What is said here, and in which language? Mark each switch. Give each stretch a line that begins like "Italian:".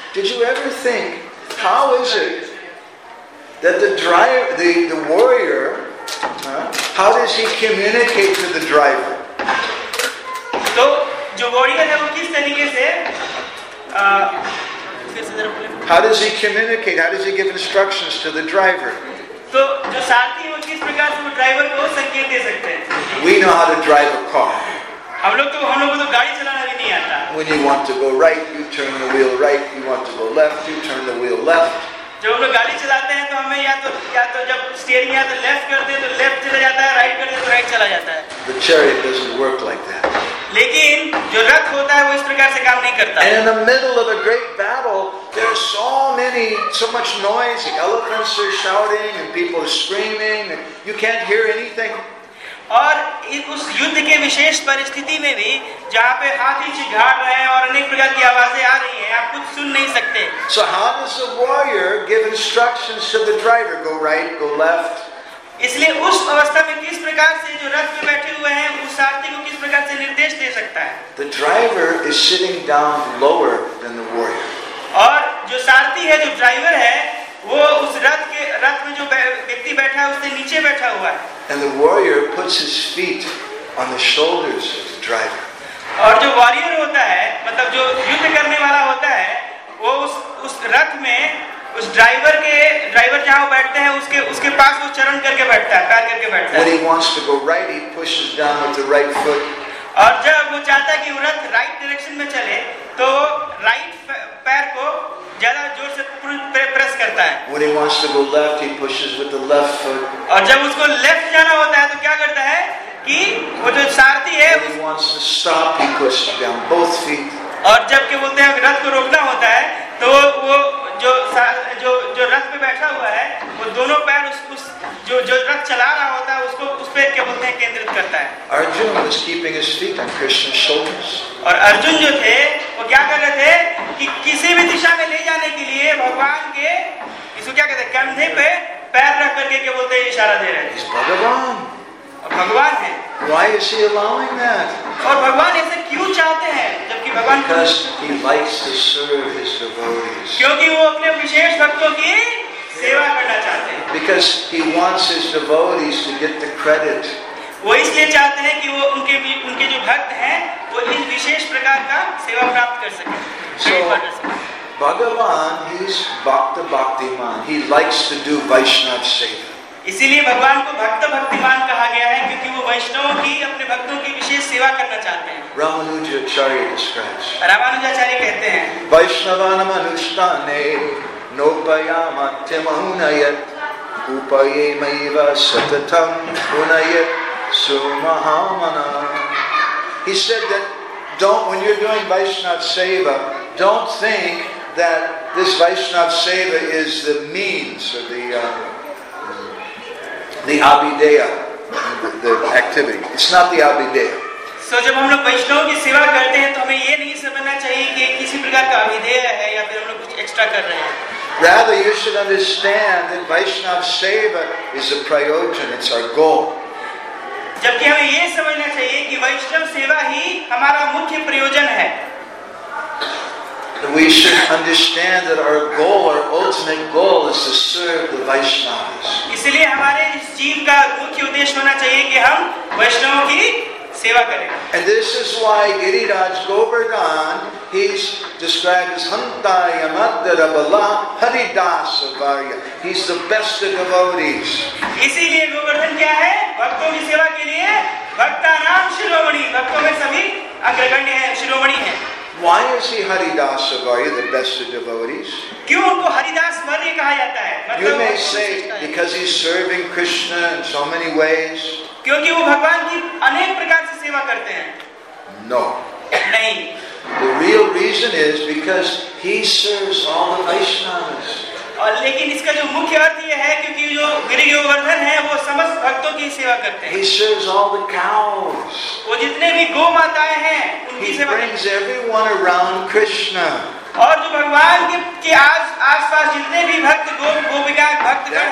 English: did you ever think how is it that the driver the warrior how does he communicate to the driver
Hindi: to jo warrior hai wo kis tarike se
English: How does he communicate? How does he give instructions to the driver?
Hindi: So, जो साथी हो किस प्रकार से वो driver को संकेत दे सकते हैं?
English: We know how to drive a car.
Hindi: हम लोग तो गाड़ी चलाना भी नहीं आता.
English: When you want to go right, you turn the wheel right. You want to go left, you turn the wheel left.
Hindi: जब हम लोग गाड़ी चलाते हैं तो हमें या तो जब स्टीयरिंग या तो लेफ्ट करते हैं तो लेफ्ट चला जाता है, राइट करते हैं तो राइट चला जाता है.
English: The chariot doesn't work like that.
Hindi: लेकिन जो रथ होता है वो इस प्रकार से काम नहीं करता
English: And in the middle of a great battle, there are so much noise, elephants are shouting and people are screaming and you can't hear anything.
Hindi: और उस युद्ध के विशेष परिस्थिति में भी जहां पे हाथी चिघाड़ रहे हैं और अनेक प्रकार की आवाजें आ रही हैं आप कुछ सुन नहीं सकते
English: So how does the warrior give instructions to the driver go right go left
Hindi: इसलिए उस अवस्था में किस प्रकार से जो रथ पे बैठे हुए हैं उस सारथी को किस प्रकार से निर्देश दे सकता है
English: The driver is sitting down lower than the warrior.
Hindi: और जो सारथी है जो ड्राइवर है वो उस रथ के रथ में जो व्यक्ति बैठा है उससे नीचे बैठा हुआ है
English: And the warrior puts his feet on the shoulders of the driver.
Hindi: और जो वॉरियर होता है मतलब जो युद्ध करने वाला होता है वो उस रथ में उस ड्राइवर के ड्राइवर जहां वो बैठते हैं उसके उसके पास वो चरण करके बैठता है पैर करके बैठता है
English: when he wants to go right he pushes down with the right foot
Hindi: और जब वो चाहता है कि उरत राइट डायरेक्शन में चले तो राइट पैर को ज्यादा जोर से प्रेस करता है
English: when he wants to go left he pushes with the left foot
Hindi: और जब उसको लेफ्ट जाना होता है तो क्या करता है कि वो जो सारथी है
English: when he wants to stop he pushes down both feet
Hindi: और जब के बोलते हैं रथ को रोकना होता है तो वो जो जो जो रथ पे बैठा हुआ है वो दोनों पैर उस जो जो रथ चला रहा होता है उसको उस पे क्या बोलते हैं केंद्रित करता है
English: Arjun was keeping his feet on Krishna's shoulders
Hindi: और अर्जुन जो थे वो क्या कर रहे थे कि किसी भी दिशा में ले जाने के लिए भगवान के इसको क्या कहते हैं कंधे पे पैर रख करके क्या बोलते हैं इशारा दे रहे हैं भगवान भगवान है
English: why is he allowing that
Hindi: और भगवान ऐसे क्यों चाहते हैं जबकि भगवान
English: he likes to serve his devotees
Hindi: क्योंकि वो अपने विशेष भक्तों की सेवा करना चाहते हैं
English: because he wants his devotees to get the credit
Hindi: वो इसलिए चाहते हैं कि वो उनके उनके जो भक्त हैं वो इस विशेष प्रकार का सेवा प्राप्त कर सके
English: so Bhagavan is bhakta bhaktiman he likes to do vaishnava seva
Hindi: इसीलिए भगवान को भक्त भक्तिमान कहा गया है क्योंकि वो वैष्णव की अपने भक्तों की विशेष सेवा करना चाहते हैं
English: Ramanujacharya describes
Hindi: रामानुजाचार्य कहते हैं
Sanskrit: वैष्णवानाम अनुष्ठाने नोपयामत्यमहुनयत् उपयेमैव सततं हुनयत् सुमहामना
English: He said that don't when you're doing Vaishnava seva don't think that this Vaishnava seva is the means or the the abhideya the activity. It's not the abhidev.
Hindi: So जब हम लोग वैष्णव की सेवा करते हैं तो हमें ये नहीं समझना चाहिए कि किसी प्रकार का अभिधेय है या फिर हम लोग कुछ एक्स्ट्रा कर रहे हैं.
English: Rather, you should understand that Vaishnav seva is a priority. It's our goal.
Hindi: जबकि हमें ये समझना चाहिए कि वैष्णव सेवा ही हमारा मुख्य प्रयोजन है.
English: We should understand that our goal, our ultimate goal, is to serve the Vaishnavas.
Hindi: इसलिए हमारे इस जीव का मुख्य उद्देश्य होना चाहिए कि हम वैष्णवों की सेवा करें.
English: And this is why Giriraj Govardhan, he's described as
Sanskrit: Hantayamadara Bala Haridasa Varya.
English: He's the best of devotees.
Hindi: इसीलिए गोवर्धन क्या है? भक्तों की सेवा के लिए भक्तानाम शिरोमणि, भक्तों में सभी अग्रगण्य है, शिरोमणि है.
English: Why is he Haridasa Varya, the best of devotees?
Hindi: क्यों उनको हरिदास वर्य कहा जाता है?
English: You may say because he's serving Krishna in so many ways.
Hindi: क्योंकि वो भगवान की अनेक प्रकार से सेवा करते हैं.
English: No.
Hindi: नहीं.
English: The real reason is because he serves all the Vaishnavas.
Hindi: और लेकिन इसका जो मुख्य अर्थ ये है क्योंकि जो गिरि गोवर्धन है वो समस्त भक्तों की सेवा करते हैं.
English: He serves all the cows.
Hindi: वो जितने भी गो माताएं हैं उनकी सेवा.
English: He brings everyone around Krishna.
Hindi: और जो भगवान के आस पास जितने भी भक्त गोपिका भक्तगण